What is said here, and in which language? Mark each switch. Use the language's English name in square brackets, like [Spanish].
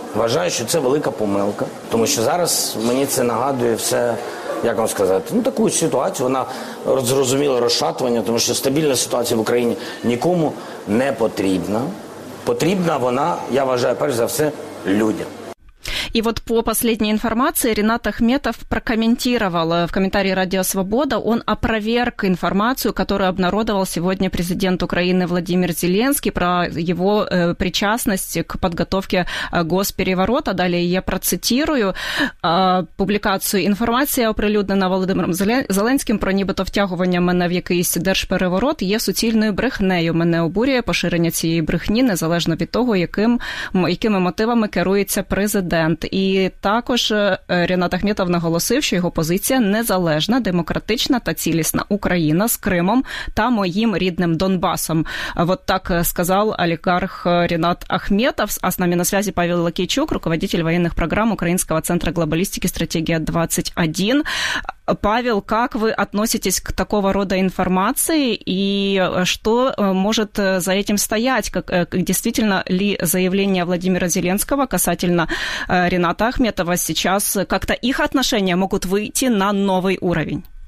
[Ukrainian] Вважаю, що це велика помилка, тому що зараз мені це нагадує все, як вам сказати, ну таку ситуацію, вона зрозуміла розшатування, тому що стабільна ситуація в Україні нікому не потрібна. Потрібна вона, я вважаю, перш за все, людям. [Russian] И вот по последней информации Ренат Ахметов прокомментировал в комментарии «Радио Свобода». Он опроверг информацию, которую обнародовал сегодня президент Украины Владимир Зеленский про его причастность к подготовке госпереворота. Далее я процитирую публикацию. [Ukrainian] «Інформація, оприлюднена Володимиром Зеленським про нібито втягування мене в якийсь держпереворот, є суцільною брехнею. Мене обурює поширення цієї брехні, незалежно від того, якими мотивами керується президент». І також Рінат Ахметов наголосив, що його позиція незалежна, демократична та цілісна Україна з Кримом та моїм рідним Донбасом. Вот так сказав олігарх Рінат Ахметов. А з нами на связі Павел Лакійчук, руководитель воєнних програм Українського центру глобалістики «Стратегія 21». [Russian] Павел, как вы относитесь к такого рода информации и что может за этим стоять? Действительно ли заявление Владимира Зеленского касательно Рената Ахметова сейчас как-то их отношения могут выйти на новый уровень?